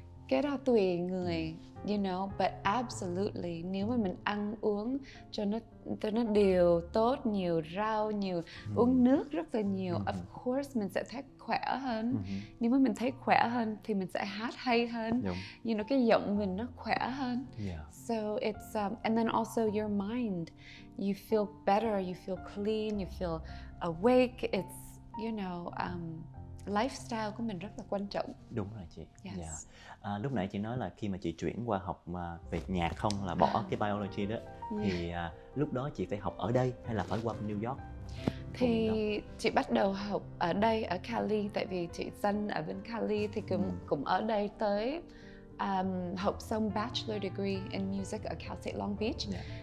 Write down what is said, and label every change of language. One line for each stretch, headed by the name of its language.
Vietnamese: Cái đó tùy người,
English: but absolutely
Vietnamese: nếu mà mình ăn uống cho nó đều tốt, nhiều rau, nhiều uống nước rất là nhiều,
English: of course
Vietnamese: mình sẽ thấy khỏe hơn. Nếu mà mình thấy khỏe hơn thì mình sẽ hát hay hơn. Đúng. Cái giọng mình nó khỏe hơn. Yeah.
English: So it's and then also your mind, you feel better, you feel clean, you feel awake. It's you know, lifestyle
Vietnamese: của mình rất là quan trọng. Đúng rồi chị. Yes. Yeah. À, lúc nãy chị nói là khi mà chị chuyển qua học mà về nhạc không là bỏ cái biology đó, thì lúc đó chị phải học ở đây hay là phải qua New York? Thì chị bắt đầu học ở đây, ở Cali, tại vì chị sinh ở bên Cali thì cũng ở đây tới học xong
English: bachelor degree in music
Vietnamese: ở Cal State Long Beach. Yeah.